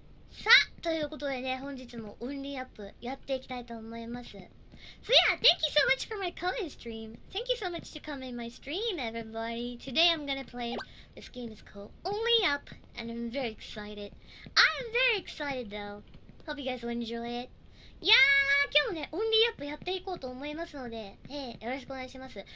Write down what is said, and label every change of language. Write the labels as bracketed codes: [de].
[ja] さあ、ということでね、本日もオンリーアップやっていきたいと思います。 [en] So yeah, thank you so much for my coming stream. Thank you so much to come in my stream, everybody. Today I'm gonna play. This game is called Only Up, and I'm very excited. I am very excited though. Hope you guys will enjoy it. [ja] いやー、今日もね、オンリーアップやっていこうと思いますので、よろしくお願いします。